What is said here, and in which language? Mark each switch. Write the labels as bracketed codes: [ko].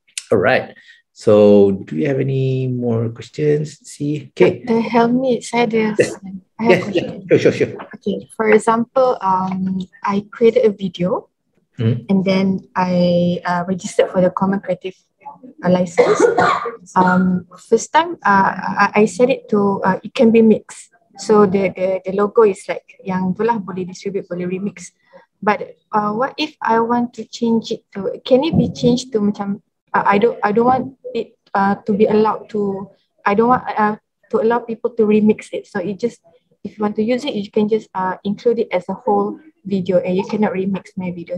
[en] All right. So, do you have any more questions? See. Okay. [ms] The Helmi, saya ada. [en] Yes. Sure. Okay. For example, I created a video, and then I registered for the Common Creative License. First time, I set it to it can be mixed. So the logo is like [ms] yang tu lah, boleh distribute, boleh remix. [en] But what if I want to change it to? Can it be changed to macam? I don't want to allow people to remix it. So it just, if you want to use it, you can just include it as a whole video, and you cannot remix my video.